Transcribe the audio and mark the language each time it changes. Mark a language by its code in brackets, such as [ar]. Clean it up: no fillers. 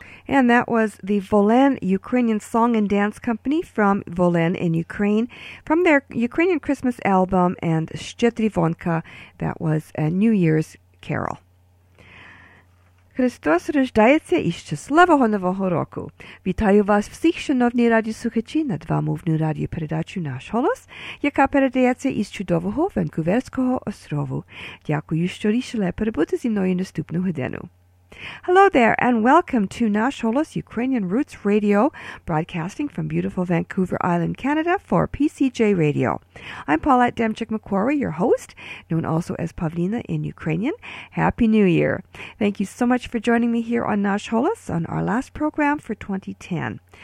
[en] And that was the Volen Ukrainian Song and Dance Company from Volen in Ukraine, from their Ukrainian Christmas album, and Shchedri Vonka, that was a New Year's carol. [uk] Христос рождається і щасливого нового року! Вітаю вас всіх, шановні радіослухачі, на два мовні радіопередачі «Наш голос», яка передається із чудового Ванкуверського острову. Дякую, що рішили перебути зі мною наступну годину. [en] Hello there, and welcome to Nash Holos Ukrainian Roots Radio, broadcasting from beautiful Vancouver Island, Canada, for PCJ Radio. I'm Paulette Demchik-McQuarrie, your host, known also as Pavlina in Ukrainian. Happy New Year! Thank you so much for joining me here on Nash Holos on our last program for 2010.